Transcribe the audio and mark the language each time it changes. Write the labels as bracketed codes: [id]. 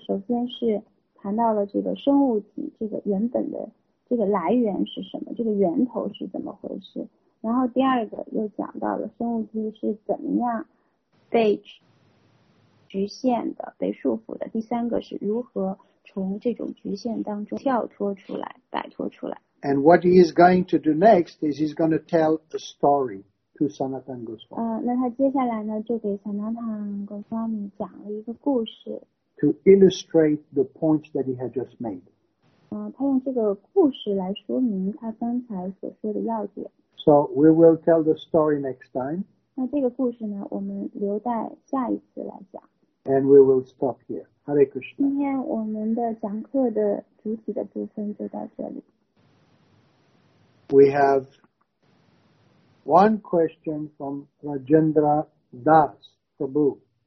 [zh] 首先是谈到了这个生物体，这个原本的这个来源是什么，这个源头是怎么回事。然后第二个又讲到了生物体是怎么样被局限的，被束缚的。第三个是如何从这种局限当中跳脱出来，摆脱出来。 [en] And what he is going to do next is he's going to tell a story to Sanatana Goswami. [zh] 那他接下来呢，就给 Sanatana Goswami 讲了一个故事。 [en] To illustrate the point that he had just made. [zh] 他用这个故事来说明他刚才所说的要点。 [en] So we will tell the story next time. [zh] 那这个故事呢，我们留待下一次来讲。 [en] And we will stop here. Hare Krishna. [zh] 今天我们的讲课的主体的部分就到这里。 [en] We have one question from Rajendra Das Prabhu.